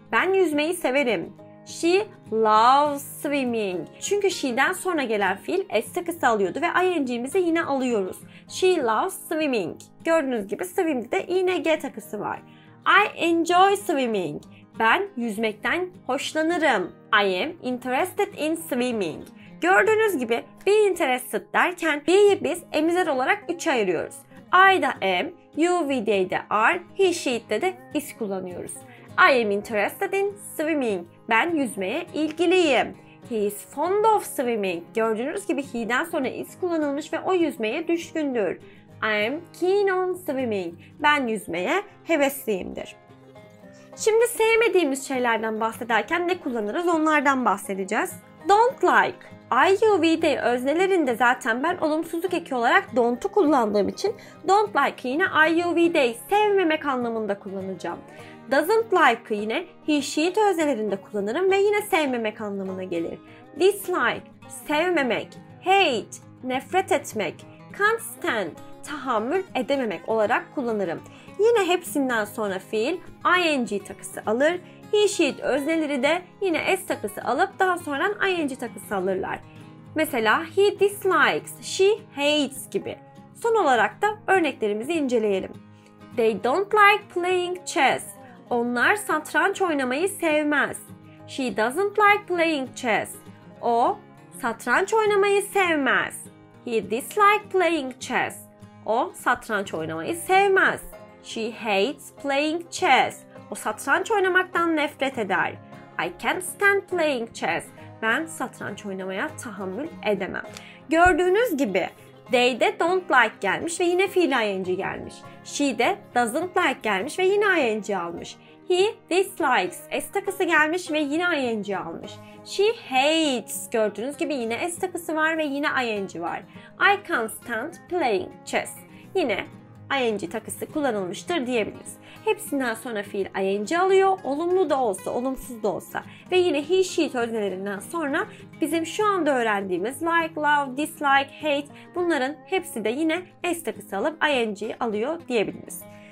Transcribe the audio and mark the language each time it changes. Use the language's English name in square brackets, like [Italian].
[Turkish] Ben yüzmeyi severim. [English] She loves swimming. [Turkish] Çünkü she'den sonra gelen fiil s takısı alıyordu ve ing'imizi yine alıyoruz. [English] She loves swimming. [Turkish] Gördüğünüz gibi swim'de de ing takısı var. [English] I enjoy swimming. [Turkish] Ben yüzmekten hoşlanırım. [English] I am interested in swimming. [Turkish] Gördüğünüz gibi be interested derken be'yi biz emizer olarak 3'e ayırıyoruz. I da am, you, we, they de are, he, she, it de is kullanıyoruz. [English] I am interested in swimming. [Turkish] Ben yüzmeye ilgiliyim. [English] He is fond of swimming. [Turkish] Gördüğünüz gibi he'den sonra is kullanılmış ve o yüzmeye düşkündür. [English] I am keen on swimming. [Turkish] Ben yüzmeye hevesliyimdir. Şimdi sevmediğimiz şeylerden bahsederken ne kullanırız onlardan bahsedeceğiz. Don't like. I, you, we, they öznelerinde zaten ben olumsuzluk eki olarak don't'u kullandığım için don't like'ı yine I, you, we, they sevmemek anlamında kullanacağım. Doesn't like'ı yine he, she, it öznelerinde kullanırım ve yine sevmemek anlamına gelir. Dislike, sevmemek, hate, nefret etmek, can't stand, tahammül edememek olarak kullanırım. Yine hepsinden sonra fiil ing takısı alır. He, she, it özneleri de yine s takısı alıp daha sonra ing takısı alırlar. Mesela [English] he dislikes, she hates [Turkish] gibi. Son olarak da örneklerimizi inceleyelim. [English] They don't like playing chess. [Turkish] Onlar satranç oynamayı sevmez. [English] She doesn't like playing chess. [Turkish] O satranç oynamayı sevmez. [English] He dislikes playing chess. [Turkish] O satranç oynamayı sevmez. [English] She hates playing chess. [Turkish] O satranç oynamaktan nefret eder. [English] I can't stand playing chess. [Turkish] Ben satranç oynamaya tahammül edemem. Gördüğünüz gibi they de don't like gelmiş ve yine fiil ing gelmiş. She de doesn't like gelmiş ve yine ing almış. He dislikes s takısı gelmiş ve yine ing almış. She hates gördüğünüz gibi yine s takısı var ve yine ing var. [English] I can't stand playing chess. [Turkish] Yine ing takısı kullanılmıştır diyebiliriz. Hepsinden sonra fiil ing alıyor. Olumlu da olsa, olumsuz da olsa. Ve yine he, she öznelerinden sonra bizim şu anda öğrendiğimiz like, love, dislike, hate bunların hepsi de yine s takısı alıp ing'yi alıyor diyebiliriz.